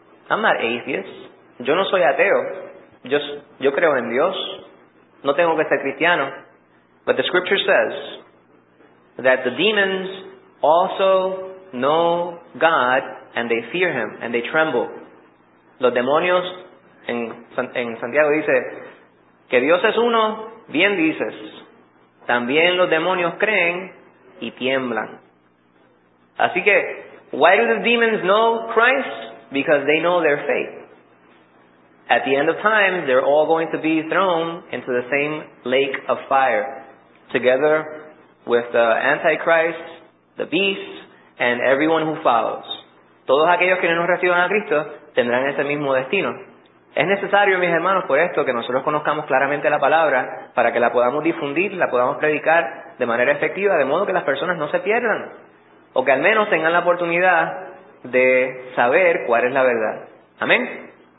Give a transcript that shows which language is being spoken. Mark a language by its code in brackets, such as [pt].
[en] I'm not atheist. [es] Yo no soy ateo. Yo creo en Dios. No tengo que ser cristiano. [en] But the scripture says that the demons also know God and they fear Him and they tremble. [es] Los demonios, en Santiago dice, que Dios es uno, bien dices. También los demonios creen y tiemblan. Así que, [en] why do the demons know Christ? Because they know their fate. At the end of time, they're all going to be thrown into the same lake of fire, together with the Antichrist, the beast, and everyone who follows. [es] Todos aquellos que no reciban a Cristo tendrán ese mismo destino. Es necesario, mis hermanos, por esto, que nosotros conozcamos claramente la palabra para que la podamos difundir, la podamos predicar de manera efectiva, de modo que las personas no se pierdan, o que al menos tengan la oportunidad de saber cuál es la verdad. Amén.